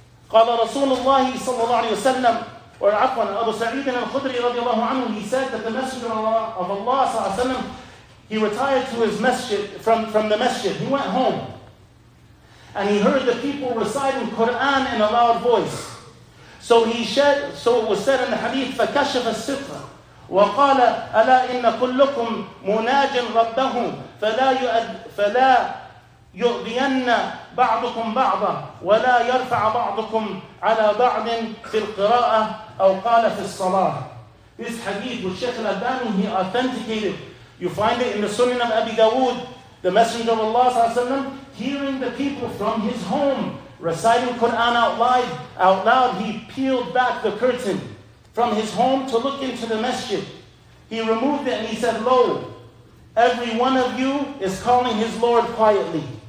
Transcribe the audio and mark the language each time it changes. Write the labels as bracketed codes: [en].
[ar] قَالَ رَسُولُ اللَّهِ صَلَّى اللَّهُ عَلَيْهِ وَسَلَّمُ [en] Or Afwan, Abu Sa'id al-Khudri radiallahu anhu, he said that the Messenger of Allah sallallahu alayhi wa sallam, he retired to his masjid, from the masjid. He went home. And he heard the people reciting Quran in a loud voice. So it was said in the hadith, [ar] فَكَشَفَ السِّفْرَ وَقَالَ أَلَا إِنَّ كُلُّكُمْ مُنَاجٍ رَبَّهُمْ فَلَا يُؤْذِيَنَّ بَعْضُكُمْ بَعْضًا وَلَا يَرْفَعَ بَعْضُكُمْ عَلَى بَعْضٍ فِي الْقِرَاءَةِ أَوْ قَالَ فِي الصَّلَاةِ [en] This hadith with Shaykh al-Albani, he authenticated. You find it in the Sunan of Abi Dawood, the Messenger of Allah sallallahu alayhi wa sallam, hearing the people from his home, reciting Quran out loud, he peeled back the curtain from his home to look into the masjid. He removed it and he said, Lo, every one of you is calling his Lord quietly.